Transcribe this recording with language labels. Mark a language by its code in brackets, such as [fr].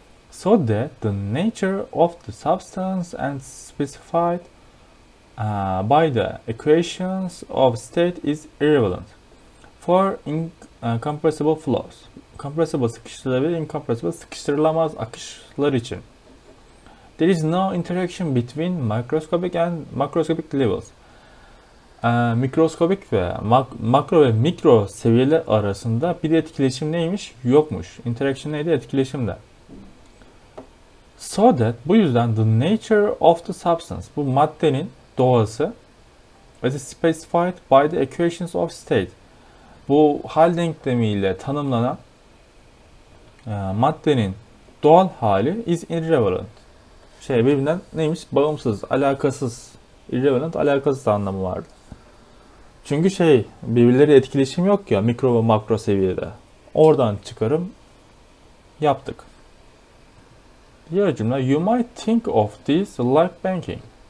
[en] So that the nature of the substance and specified by the equations of state is irrelevant. For incompressible flows. Compressible [tr] sıkıştırılamaz akışlar için. [en] There is no interaction between microscopic and macroscopic levels. [tr] Mikroskobik ve makro ve mikro seviyeler arasında bir etkileşim neymiş? Yokmuş. [en] Interaction [tr] neydi? Etkileşimde. [en] So that [tr] bu yüzden [en] the nature of the substance [tr] bu maddenin doğası [en] as specified by the equations of state [tr] bu hal denklemiyle tanımlanan maddenin doğal hali [en] is irrelevant. [tr] Şey birbirinden neymiş? Bağımsız, alakasız. Irrelevant, alakasız anlamı vardı. Çünkü şey birbirleri etkileşim yok ya mikro ve makro seviyede. Oradan çıkarım yaptık. Diğer cümle [en] you might think of this like banking.